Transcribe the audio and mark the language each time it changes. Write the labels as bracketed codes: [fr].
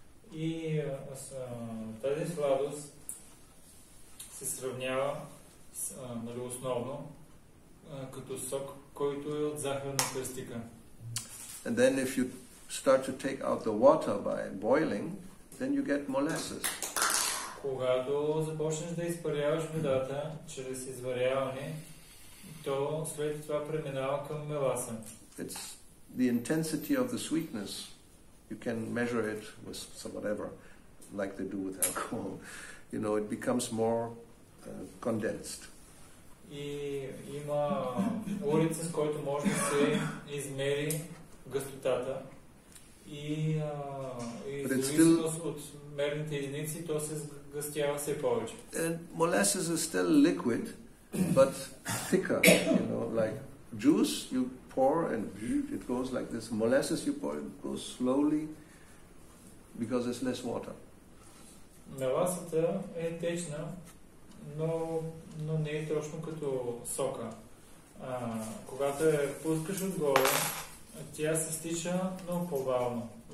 [en] And then if you start to take out the water by boiling, then you get molasses. [bg] Когато започнеш да изпаряваш водата чрез изваряване, то след това преминава към меласа. [en] It's the intensity of the sweetness. You can measure it with some whatever, like they do with alcohol. You know, it becomes more condensed. [bg] И има улица, с който може да се измери гъстотата. [en] But it's still, and molasses is still liquid, but thicker, you know, like juice you pour and it goes like this. Molasses you pour, it goes slowly because it's less water. [bg] Молесата е течна, но не е точно като сока. Когато я пускаш отгоре, тя се стича, но по-бавно.